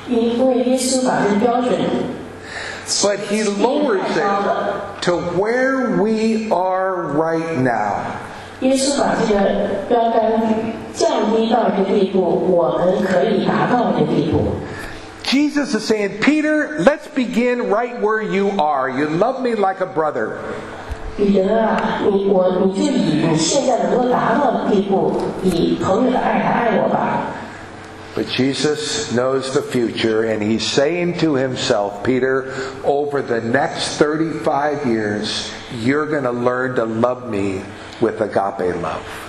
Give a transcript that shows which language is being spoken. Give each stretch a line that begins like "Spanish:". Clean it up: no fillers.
English: But he lowers it to where we are right now.
Chinese: 耶稣把这个标杆降低到一个地步，我们可以达到的地步。
English: Jesus is saying, Peter, let's begin right where you are. You love me like a brother.
Chinese: 彼得啊，你就以你现在能够达到的地步，以朋友的爱来爱我吧。
English: But Jesus knows the future and he's saying to himself, Peter, over the next 35 years, you're going to learn to love me with agape love.